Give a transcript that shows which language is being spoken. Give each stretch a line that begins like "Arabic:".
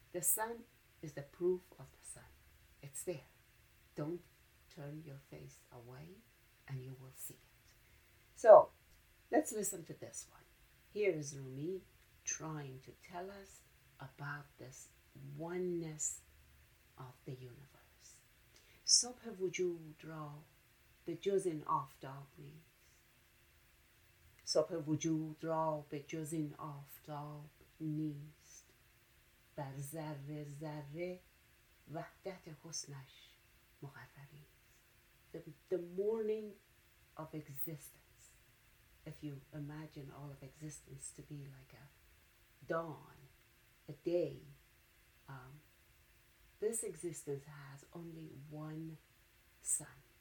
English: The sun is the proof of the sun. It's there. Don't turn your face away and you will see it. So let's listen to this one. Here is Rumi trying to tell us about this oneness of the universe.
Persian: صبح وجود را به جز این آفتاب نیست. صبح وجود را به جز این آفتاب نیست. بر ذره ذره وحدت حسنش مقرری.
English: The morning of existence, if you imagine all of existence to be like a dawn, a day, this existence has only one sun.